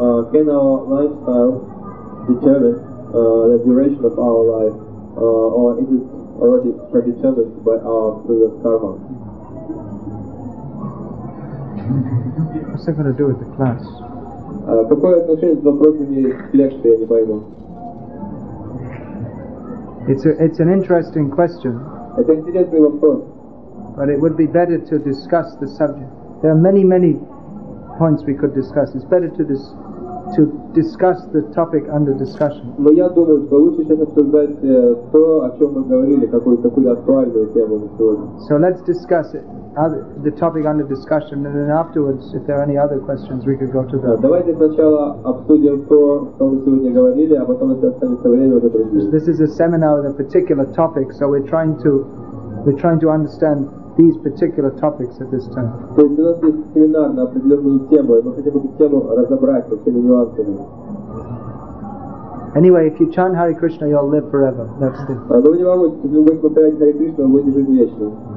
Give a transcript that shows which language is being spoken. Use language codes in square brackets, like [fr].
[en] Can our lifestyle determine the duration of our life, or is it already predetermined by our previous karma? What's that going to do with the class? [ru] Какое отношение к вопросу не лекции, я не пойму. [en] It's an interesting question. [ru] Это интересный вопрос. [en] But it would be better to discuss the subject. There are many, many points we could discuss. It's better to discuss the topic under discussion. [ru] Но я думаю, что лучше сейчас обсуждать то, о чем мы говорили, какую-то актуальную тему сегодня. [en] So let's discuss the topic under discussion, and then afterwards, if there are any other questions, we could go to them. [ru] Давайте сначала обсудим то, что мы сегодня говорили, а потом, если останется время, уже другие. [en] This is a seminar on a particular topic, so we're trying to understand these particular topics at this time. [ru] То есть у нас есть семинар на определенную тему, и мы хотим эту тему разобрать со всеми нюансами. [en] Anyway, if you chant Hare Krishna, you'll live forever. That's the. [ru] Но не волнуйтесь, если вы будете повторять Hare Krishna, вы будете жить вечно.